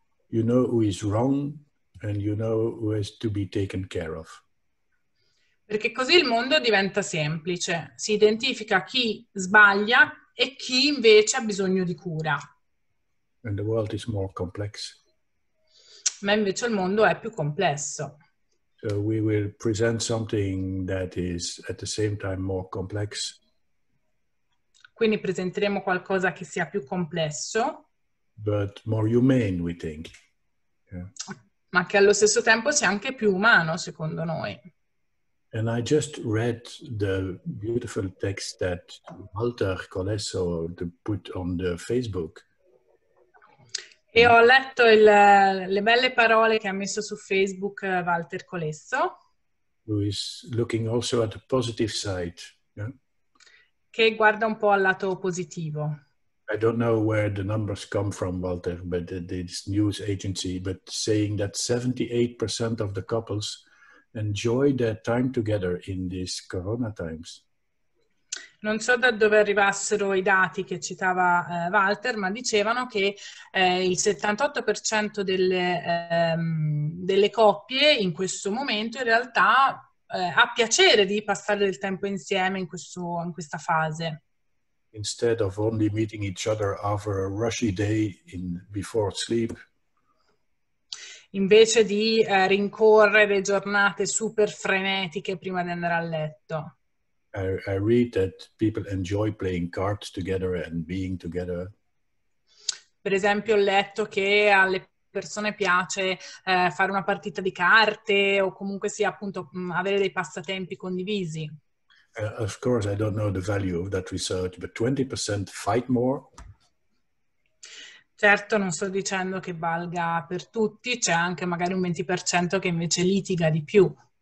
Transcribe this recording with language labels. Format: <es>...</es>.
<en>You know who is wrong and you know who has to be taken care of.</en> <it>Perché così il mondo diventa semplice, si identifica chi sbaglia e chi invece ha bisogno di cura.</it> <en>And the world is more complex.</en> <it>Ma invece il mondo è più complesso.</it> <en>So we will present something that is at the same time more complex.</en> <it>Quindi presenteremo qualcosa che sia più complesso.</it> <en>But more humane, we think. Yeah.</en> <it>Ma che allo stesso tempo sia anche più umano, secondo noi.</it> <en>And I just read the beautiful text that Walter Colesso put on the Facebook.</en> <it>E ho letto le belle parole che ha messo su Facebook Walter Colesso.</it> <en>Who is looking also at the positive side. Yeah?</en> <it>Che guarda un po' al lato positivo.</it> <en>I don't know where the numbers come from, Walter, but this news agency, but saying that 78% of the couples enjoy their time together in these corona times.</en> <it>Non so da dove arrivassero i dati che citava Walter, ma dicevano che il 78% delle coppie in questo momento in realtà ha piacere di passare del tempo insieme in questa fase.</it> <en>Instead of only meeting each other after a rushy day before sleep.</en> <it>Invece di rincorrere giornate super frenetiche prima di andare a letto.</it> <en>I read that people enjoy playing cards together and being together.</en> <it>Per esempio, ho letto che alle persone piace fare una partita di carte o comunque sia appunto avere dei passatempi condivisi.</it> <en>Of course, I don't know the value of that research, but 20% fight more.</en> <it>Certo, non sto dicendo che valga per tutti, c'è anche magari un 20% che invece litiga di più.</it>